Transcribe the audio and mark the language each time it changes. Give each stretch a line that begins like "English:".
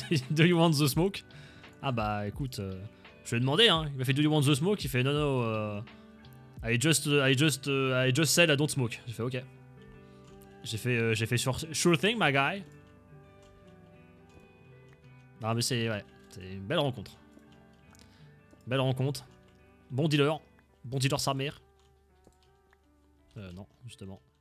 English: Do you want the smoke?
French: Ah bah écoute, je lui ai demandé, hein. Il m'a fait
English: do you want the smoke?
French: Il fait
English: no, I just said I don't smoke.
French: J'ai fait ok. J'ai fait
English: sure thing, my guy.
French: Ah mais c'est, ouais, c'est une belle rencontre. Belle rencontre. Bon dealer sa mère. Non, justement.